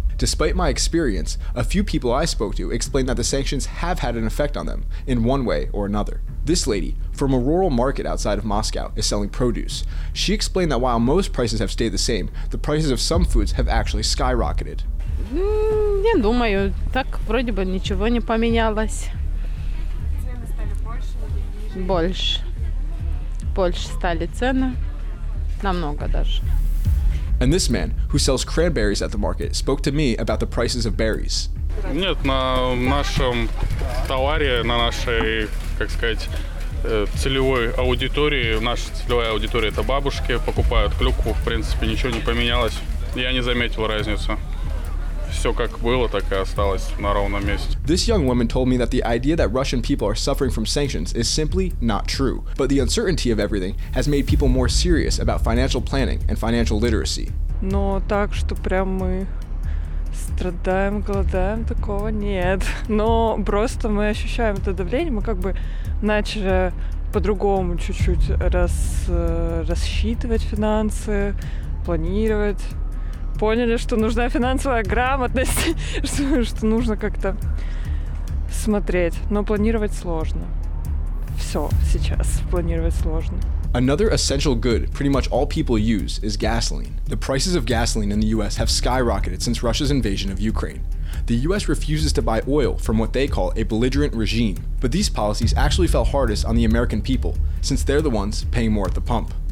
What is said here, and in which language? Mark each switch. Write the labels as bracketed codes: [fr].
[en] Despite my experience, a few people I spoke to explained that the sanctions have had an effect on them, in one way or another. This lady, from a rural market outside of Moscow, is selling produce. She explained that while most prices have stayed the same, the prices of some foods have actually skyrocketed. [ru] Я думаю, так вроде бы ничего не поменялось. Цены стали больше или ниже? Больше. Больше стали цены. Намного даже. [en] And this man, who sells cranberries at the market, spoke to me about the prices of berries. [ru] Нет, на нашем товаре, на нашей, как сказать, целевой аудитории, наша целевая аудитория – это бабушки, покупают клюкву, в принципе, ничего не поменялось. Я не заметил разницу. Все как было, так и осталось на ровном месте. [en] This young woman told me that the idea that Russian people are suffering from sanctions is simply not true. But the uncertainty of everything has made people more serious about financial planning and financial literacy. [ru] Но так, что прям мы страдаем, голодаем, такого нет. Но просто мы ощущаем это давление, мы как бы начали по-другому чуть-чуть рассчитывать финансы, планировать. Поняли, что нужна финансовая грамотность, что нужно как-то смотреть. Но планировать сложно. Все сейчас планировать сложно. [en] Another essential good pretty much all people use is gasoline. The prices of gasoline in the US have skyrocketed since Russia's invasion of Ukraine. The US refuses to buy oil from what they call a belligerent regime. But these policies actually fell hardest on the American people, since they're the ones paying more at the pump.